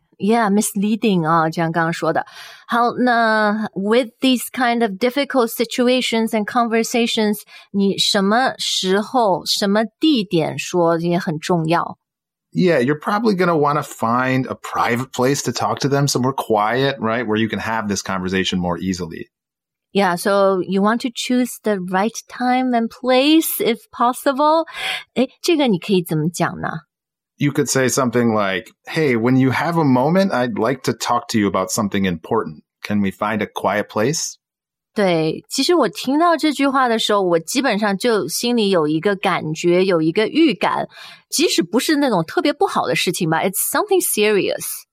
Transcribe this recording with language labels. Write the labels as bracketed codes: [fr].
[en] Yeah, misleading, [zh] 就像刚刚说的。好，那 [en] with these kind of difficult situations and conversations, [zh] 你什么时候、什么地点说也很重要。 [en] Yeah, you're probably going to want to find a private place to talk to them, somewhere quiet, right, where you can have this conversation more easily. Yeah, so you want to choose the right time and place if possible. [zh] 诶，这个你可以怎么讲呢？ [en] You could say something like, hey, when you have a moment, I'd like to talk to you about something important. Can we find a quiet place? [zh] 对，其实我听到这句话的时候，我基本上就心里有一个感觉，有一个预感，即使不是那种特别不好的事情吧， [en] It's something serious.